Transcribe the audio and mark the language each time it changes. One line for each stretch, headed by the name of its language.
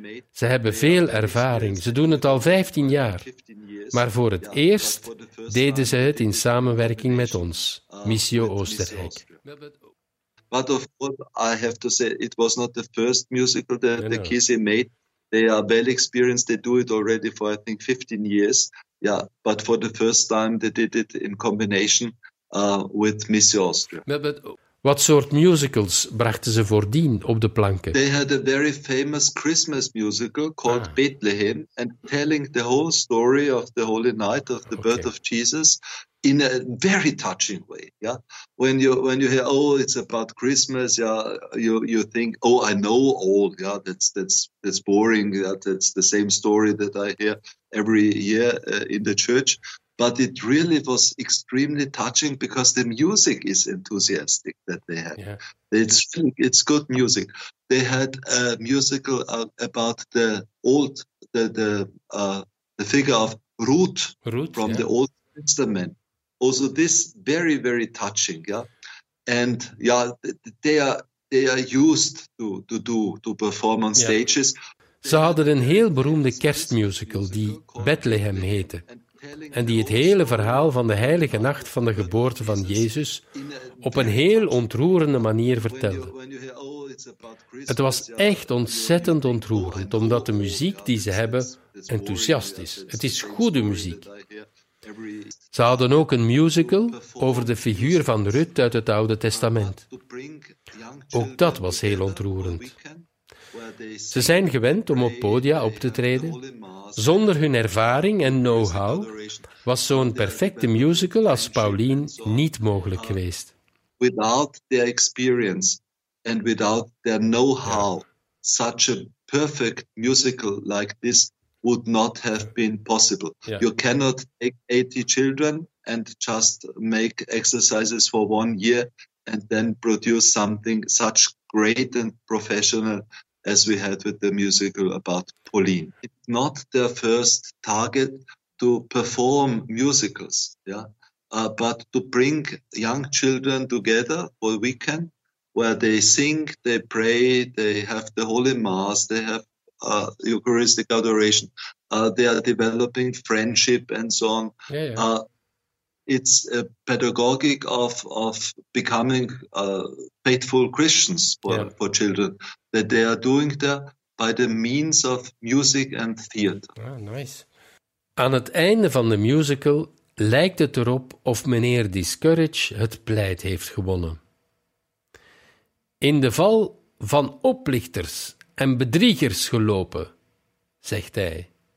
Dutch: Ze hebben veel ervaring. Ze doen het al 15 jaar. Maar voor het eerst deden ze het in samenwerking met ons, Missio Oostenrijk.
English: But of course, I have to say, it was not the first musical that the Kisi made. They are well experienced. They do it already for, I think, 15 years. Yeah, but for the first time, they did it in combination with Missio Austria.
Dutch: Wat soort musicals brachten ze voordien op de planken?
English: They had a very famous Christmas musical called Bethlehem, and telling the whole story of the Holy Night of the birth of Jesus in a very touching way. Yeah, when you hear, oh, it's about Christmas, yeah, you think, oh, I know all. Yeah, that's boring. That's the same story that I hear every year in the church. But it really was extremely touching because the music is enthusiastic that they had. Yeah. It's good music. They had a musical about the figure of Ruth from the Old Testament. Also, this very very touching. Yeah, and they are used to perform on stages.
Dutch: Ze hadden een heel beroemde kerstmusical die Bethlehem heette. En die het hele verhaal van de heilige nacht van de geboorte van Jezus op een heel ontroerende manier vertelde. Het was echt ontzettend ontroerend, omdat de muziek die ze hebben enthousiast is. Het is goede muziek. Ze hadden ook een musical over de figuur van Rut uit het Oude Testament. Ook dat was heel ontroerend. Ze zijn gewend om op podia op te treden. Zonder hun ervaring en know-how was zo'n perfecte musical als Pauline niet mogelijk geweest.
English: Without their experience and without their know-how, such a perfect musical like this would not have been possible. Yeah. You cannot take 80 children and just make exercises for 1 year and then produce something such great and professional as we had with the musical about Pauline. It's not their first target to perform musicals, but to bring young children together for a weekend where they sing, they pray, they have the Holy Mass, they have Eucharistic adoration, they are developing friendship and so on. Yeah, yeah. it's a pedagogic of becoming faithful Christians for children, that they are doing that by the means of music and theater. Ah, nice.
Dutch: Aan het einde van de musical lijkt het erop of meneer Discourage het pleit heeft gewonnen. In de val van oplichters en bedriegers gelopen, zegt hij.